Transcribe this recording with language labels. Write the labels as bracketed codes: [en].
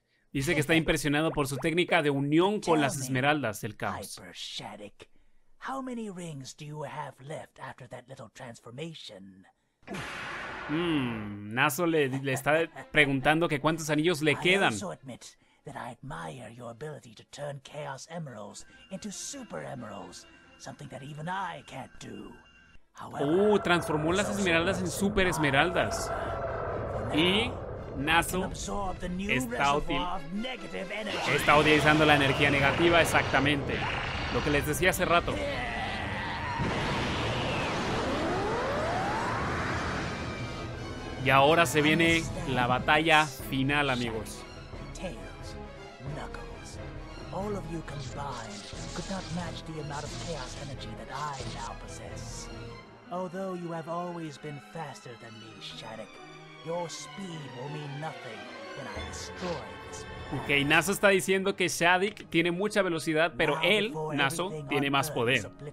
[es] Dice que está impresionado por su técnica de unión con las esmeraldas del caos. [en] How many rings do you have left after that little transformation? [es] Nazo le está preguntando que cuántos anillos le quedan. [en] I also admit that I admire your ability to turn chaos emeralds into super emeralds, something that even I can't do. [es] Transformó las esmeraldas en super esmeraldas. Y Nazo está utilizando la energía negativa exactamente. Lo que les decía hace rato. Y ahora se viene la batalla final, amigos. [en] Tails, Knuckles, all of you combined could not match the amount of chaos energy that I now possess. Although you have always been faster than me, Shattuck, your speed will mean nothing when I destroy. [es] Ok, Nazo está diciendo que Shadik tiene mucha velocidad, pero él, Nazo, tiene más poder.